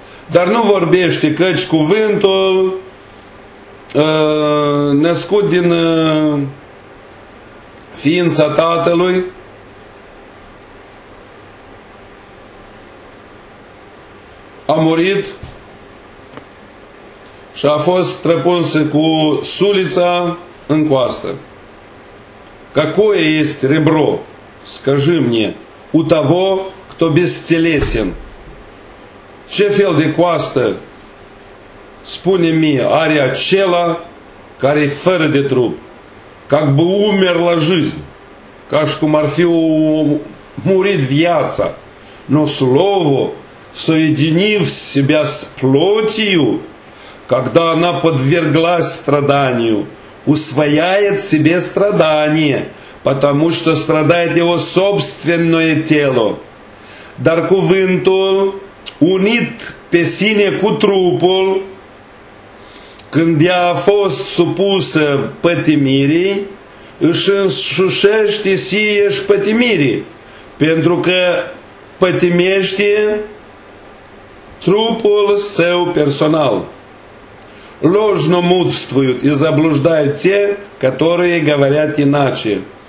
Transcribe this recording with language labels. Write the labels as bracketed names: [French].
[Romanian] Dar nu vorbește căci cuvântul născut din ființa Tatălui a murit și a fost trepuns cu sulița în coastă. [Russian] Какое есть ребро, скажи мне, у того, кто бесцелесен? [Romanian] Ce fel de coastă, spune mie, are acela care e fără de trup? [Russian] Как бы умерла жизнь, [Romanian] ca și cum ar fi murit viața. [Russian] Но слово, соединив себя с плотью, когда она подверглась страданию, усвояет себе страдание, потому что страдает его собственное тело. [Romanian] Dar cuvântul, unit pe sine cu trupul, când ea a fost supusă pătimirii, își însușește sieși pătimirii, pentru că pătimește trupul său personal. [Russian] Ложно мудствуют и заблуждают те, которые говорят иначе.